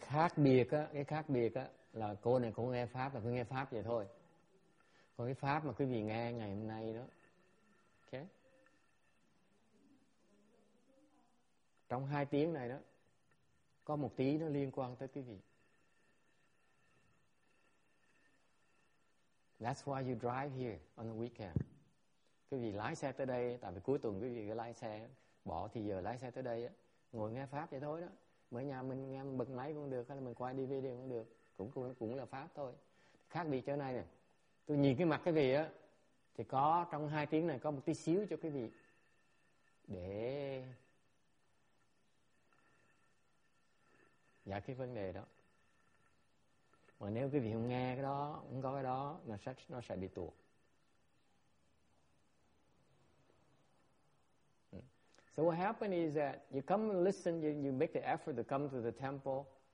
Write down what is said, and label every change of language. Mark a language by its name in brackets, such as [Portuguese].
[Vietnamese] Cái khác biệt á là cô này cũng nghe Pháp và cứ nghe Pháp vậy thôi. Còn cái Pháp mà quý vị nghe ngày hôm nay đó, okay. Trong 2 tiếng này đó, có 1 tí nó liên quan tới quý vị. [English] That's why you drive here on the weekend. [Vietnamese] Quý vị lái xe tới đây, tại vì cuối tuần quý vị lái xe, bỏ thì giờ lái xe tới đây á, ngồi nghe Pháp vậy thôi đó. Mở nhà mình nghe bật máy cũng được, hay là mình quay DVD cũng được, cũng là Pháp thôi. Khác biệt chỗ này nè, tôi nhìn cái mặt cái gì á, thì có trong 2 tiếng này có 1 tí xíu cho cái gì để giải cái vấn đề đó. Mà nếu cái gì không nghe cái đó, không có cái đó, nó sẽ bị tuột. [English] So what happened is that you come and listen, you make the effort to come to the temple.